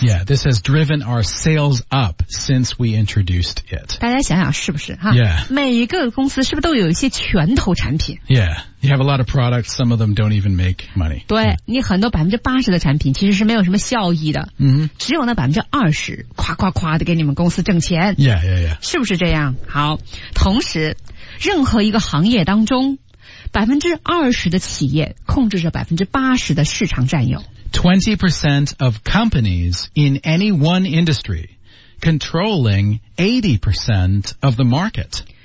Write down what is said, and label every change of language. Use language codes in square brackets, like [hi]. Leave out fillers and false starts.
[en] Yeah, this has driven our sales up since we introduced it. [zh] 大家想想是不是、huh? [en] Yeah. [zh] 每一个公司是不是都有一些拳头产品 [en] Yeah, you have a lot of products, some of them don't even make money. [zh] 对、yeah. 你很多80%的产品其实是没有什么效益的、 mm-hmm. 只有那20%夸夸夸的给你们公司挣钱 [en] Yeah, yeah, yeah. [zh] 是不是这样好同时任何一个行业当中20%的企业控制着80%的市场占有 [en] 20% of companies in any one industry controlling 80% of the market